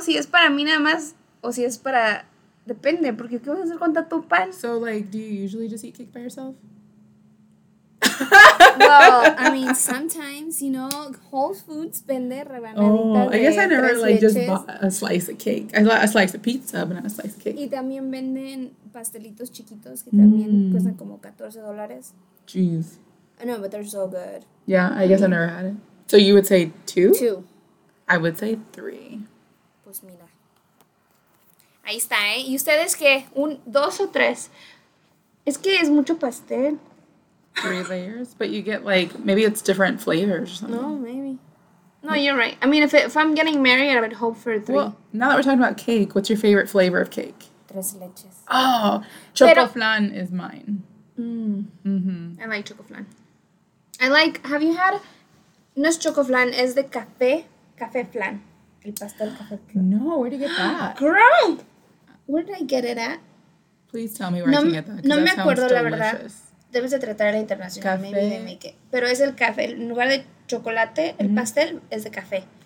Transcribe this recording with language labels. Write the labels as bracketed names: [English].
[Spanish] Si es para mí nada más, o si es para... Depende, porque ¿qué vas a hacer con tanto pan? [English] So, like, do you usually just eat cake by yourself? Well, I mean, sometimes, you know, Whole Foods [Spanish] vende rebanaditas. [English] Oh, I guess I never, like, just bought a slice of cake. I bought a slice of pizza, but not a slice of cake. [Spanish] Y también venden pastelitos chiquitos que también cuestan como $14. [English] Jeez. I know, but they're so good. Yeah, I guess I never had it. So you would say two? Two. I would say three. [Spanish] Pues mira. Ahí está, ¿eh? ¿Y ustedes qué? ¿Un, dos o tres? Es que es mucho pastel. [English] Three layers? But you get, like, maybe it's different flavors or something. No, maybe. No, you're right. I mean, if I'm getting married, I would hope for three. Well, now that we're talking about cake, what's your favorite flavor of cake? [Spanish] Tres leches. [English] Oh, chocoflan is mine. I like chocoflan. I like, have you had, [Spanish] no es chocoflan, es de café, café flan. El pastel café flan. [English] No, where did you get that? Girl! Where did I get it at? Please tell me where I can get that. [Spanish] No me acuerdo, la verdad. Debes de tratar a la internacional. Café. [English] Maybe they make it. [Spanish] Pero es el café. En lugar de chocolate, el pastel es de café.